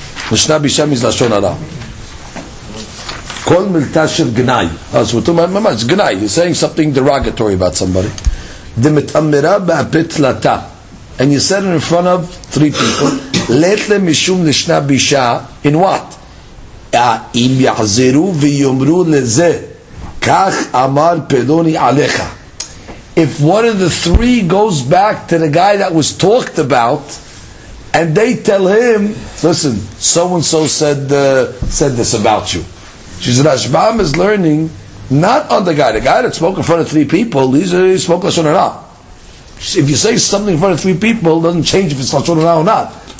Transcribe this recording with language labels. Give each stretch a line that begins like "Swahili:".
English: Nishna bisha means lashon hara.
Aramaic: Kol milta shel gnai.
English: That's what I'm saying. It's gnai. He's saying something derogatory about somebody.
Aramaic: Demetamira ba'apit lata.
English: And you said it in front of three people. Let le mishum, nishna bisha. In what?
Hebrew: אם יחזרו ויאמרו לזה כך אמר פלוני עליך.
English: If one of the three goes back to the guy that was talked about and they tell him, listen, so and so said this about you. She's Rashbam is learning not on the guy that spoke in front of three people. He spoke lashon hara. If you say something in front of three people, it doesn't change if it's lashon hara or not.